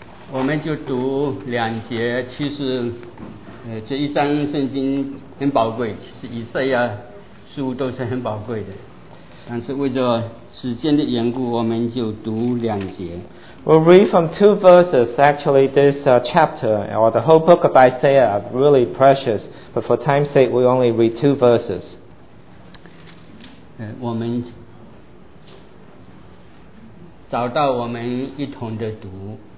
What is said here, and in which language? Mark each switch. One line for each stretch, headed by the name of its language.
Chinese: 我们就读两节，其实，这一章圣经很宝贵，其实以赛亚书都是很宝贵的，但是为着时间的缘故，我们就读两节。
English: We'll read from two verses. Actually, this chapter or the whole book of Isaiah are really precious, but for time's sake, we only read two verses.
Chinese: 我们找到我们一同的读。